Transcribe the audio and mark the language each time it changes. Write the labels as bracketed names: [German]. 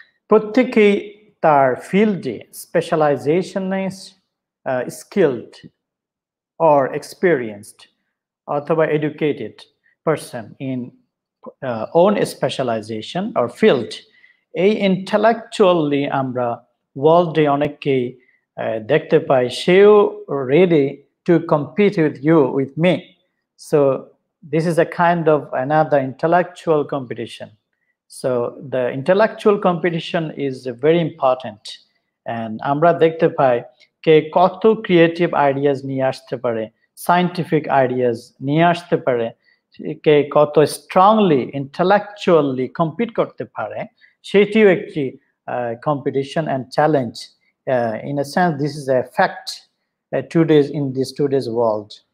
[Bangla] প্রত্যেকেই তার ফিল্ডে স্পেশালাইজেশন, স্কিলড অর এক্সপিরিয়েন্সড অথবা educated person in on specialisation or field, এই ইন্টেলেকচুয়ালি আমরা ওয়ার্ল্ডে অনেককেই দেখতে পাই, সেও ready [English] to compete with you, with me. So this is a kind of another intellectual competition. So the intellectual competition is very important. [Bangla] And আমরা দেখতে পাই যে কত creative ideas নিয়ে আসতে পারে, scientific ideas নিয়ে আসতে পারে, যে কত strongly, intellectually compete করতে পারে, সেটিও একটি [English] competition and challenge. In a sense, this is a fact in today's world.